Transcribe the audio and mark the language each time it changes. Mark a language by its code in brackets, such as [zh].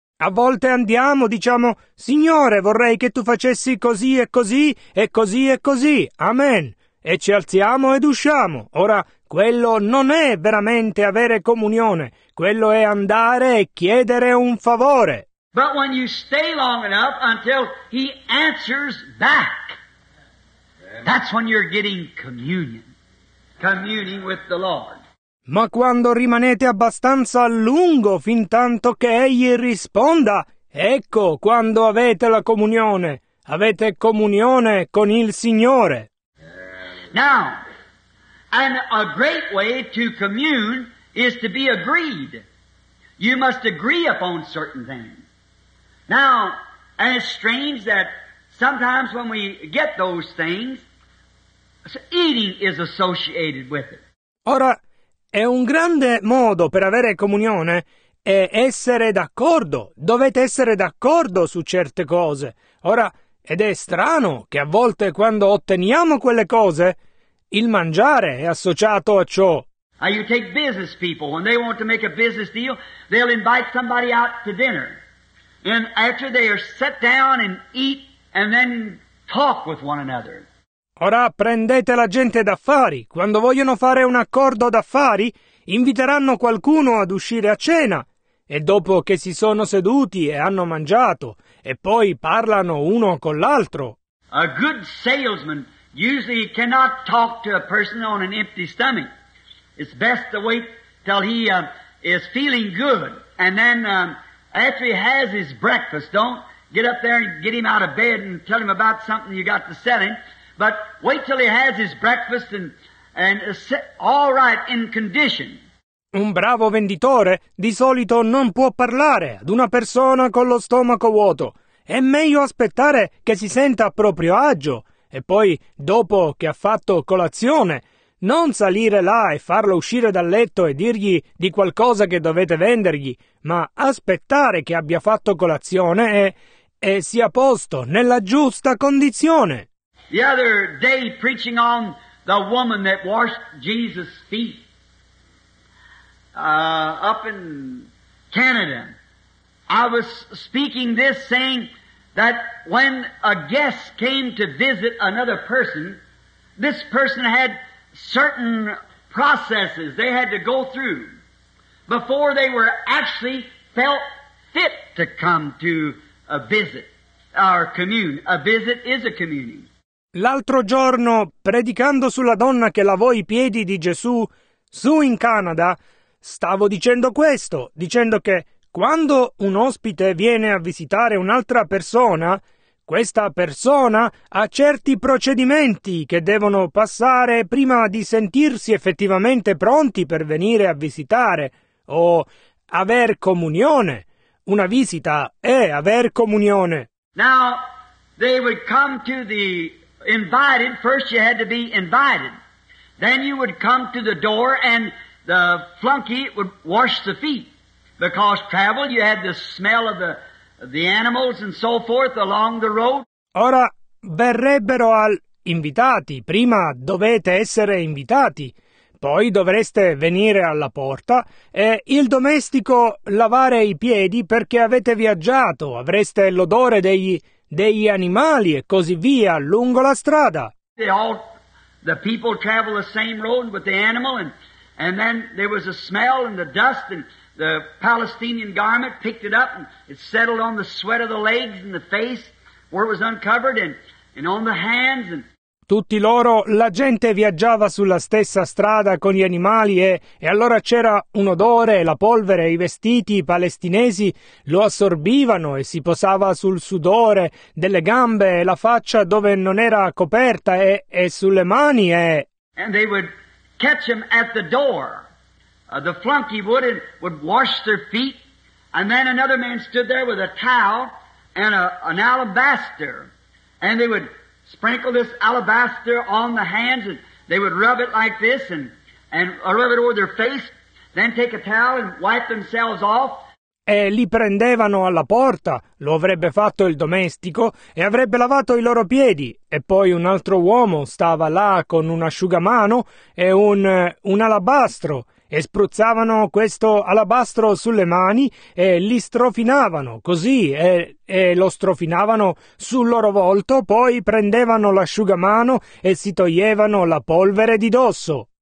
[it] A volte andiamo, diciamo, Signore, vorrei che tu facessi così e così e così e così. Amen. E ci alziamo ed usciamo. Ora, quello non è veramente avere comunione. Quello è andare e chiedere un favore. [en] But when you stay long enough until he answers back, that's when you're getting communion. Communing with the Lord. [it] Ma quando rimanete abbastanza a lungo fin tanto che egli risponda, ecco quando avete la comunione. Avete comunione con il Signore. [en] Now, and a great way to commune is to be agreed. You must agree upon certain things. Now, and it's strange that sometimes when we get those things, Eating is associated with it. [it] Ora, è un grande modo per avere comunione è essere d'accordo. Dovete essere d'accordo su certe cose. Ora, ed è strano che a volte quando otteniamo quelle cose, il mangiare è associato a ciò. [en] You take business people, when they want to make a business deal, they'll invite somebody out to dinner. And after they are set down and eat and then talk with one another. [it] Ora prendete la gente d'affari. Quando vogliono fare un accordo d'affari, inviteranno qualcuno ad uscire a cena. E dopo che si sono seduti e hanno mangiato, e poi parlano uno con l'altro. [en] A good salesman usually cannot talk to a person on an empty stomach. It's best to wait till he is feeling good. And then after he has his breakfast, don't get up there and get him out of bed and tell him about something you got to sell him. But wait till he has his breakfast and is all right in condition. [it] Un bravo venditore di solito non può parlare ad una persona con lo stomaco vuoto. È meglio aspettare che si senta a proprio agio. E poi, dopo che ha fatto colazione, non salire là e farlo uscire dal letto e dirgli di qualcosa che dovete vendergli, ma aspettare che abbia fatto colazione e sia posto nella giusta condizione. [en] The other day preaching on the woman that washed Jesus' feet up in Canada, I was speaking this saying that when a guest came to visit another person, this person had certain processes they had to go through before they were actually felt fit to come to a visit, our commune. A visit is a communion. [it] L'altro giorno, predicando sulla donna che lavò i piedi di Gesù su in Canada, stavo dicendo questo, dicendo che quando un ospite viene a visitare un'altra persona, questa persona ha certi procedimenti che devono passare prima di sentirsi effettivamente pronti per venire a visitare o aver comunione. Una visita è aver comunione. [en] Now, they would come to the invited. First you had to be invited. Then you would come to the door and the flunky would wash the feet. Because travel, you had the smell of the animals and so forth along the road. [it] Ora verrebbero al invitati. Prima dovete essere invitati. Poi dovreste venire alla porta e il domestico lavare i piedi perché avete viaggiato. Avreste l'odore degli animali e così via lungo la strada. [en] The people travel the same road with the animal and then there was a smell and the dust and the Palestinian garment picked it up and it settled on the sweat of the legs and the face where it was uncovered and on the hands and [it] tutti loro, la gente viaggiava sulla stessa strada con gli animali e allora c'era un odore, la polvere, i vestiti palestinesi lo assorbivano e si posava sul sudore delle gambe e la faccia dove non era coperta e sulle mani e [en] and they would catch him at the door. The flunky would wash their feet and then another man stood there with a towel and an alabaster and they would sprinkle this alabaster on the hands and they would rub it like this and rub it over their face, then take a towel and wipe themselves off. [it] E li prendevano alla porta, lo avrebbe fatto il domestico e avrebbe lavato i loro piedi. E poi un altro uomo stava là con un asciugamano e un alabastro e spruzzavano questo alabastro sulle mani e li strofinavano così e lo strofinavano sul loro volto, poi prendevano l'asciugamano e si toglievano la polvere di dosso.